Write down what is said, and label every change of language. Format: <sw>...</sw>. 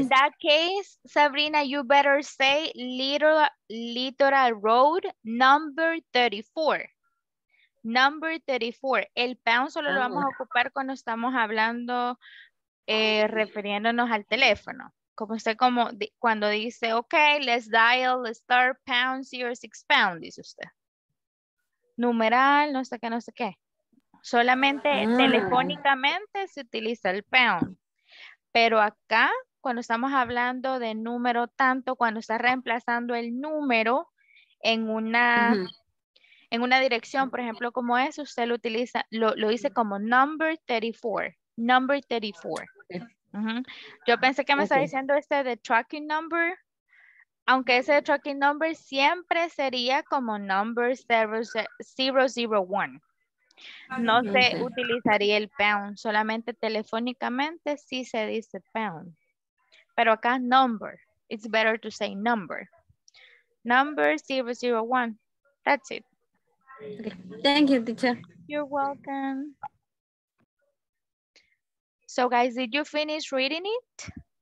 <en>In that case, Sabrina, you better say literal road number 34. Number 34.</en> <es>El pound solo lo vamos a ocupar cuando estamos hablando, refiriéndonos al teléfono. Como usted, como cuando dice, ok,</es> <en>let's dial, let's start pound 06 pound,</en> <es>dice usted. Numeral, no sé qué, no sé qué. Solamente telefónicamente se utiliza el pound. Pero acá, cuando estamos hablando de número tanto, cuando está reemplazando el número en una, en una dirección, por ejemplo, como es, usted lo utiliza, lo dice como number 34, number 34. Yo pensé que me estaba diciendo este de tracking number, aunque ese de tracking number siempre sería como number 001. No se utilizaría el pound, solamente telefónicamente sí se dice pound. Pero acá</es> <en>number, it's better to say number. Number 001, that's it. Okay. Thank you, teacher. You're welcome. So guys, did you finish reading it?</en>